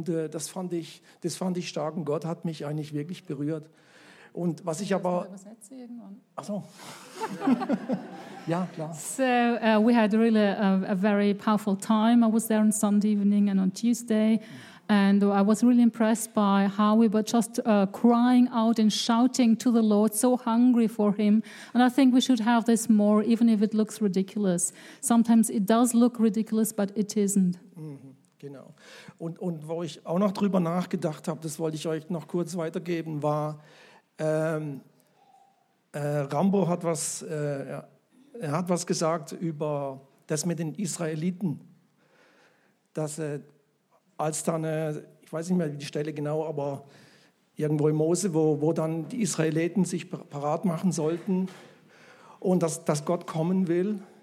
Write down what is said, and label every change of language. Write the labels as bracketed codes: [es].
[de] Das fand ich stark und Gott hat mich eigentlich wirklich berührt. Und was ich aber. Ach so. Ja, klar. [en] So we had really a very powerful time. I was there on Sunday evening and on Tuesday, and I was really impressed by how we were just crying out and shouting to the Lord, so hungry for Him. And I think we should have this more, even if it looks ridiculous. Sometimes it does look ridiculous, but it isn't. [de] Mm-hmm. Genau. Und wo ich auch noch drüber nachgedacht habe, das wollte ich euch noch kurz weitergeben, war Rambo hat was. Er hat was gesagt über das mit den Israeliten, dass er als dann, ich weiß nicht mehr die Stelle genau, aber irgendwo in Mose, wo dann die Israeliten sich parat machen sollten und dass Gott kommen will.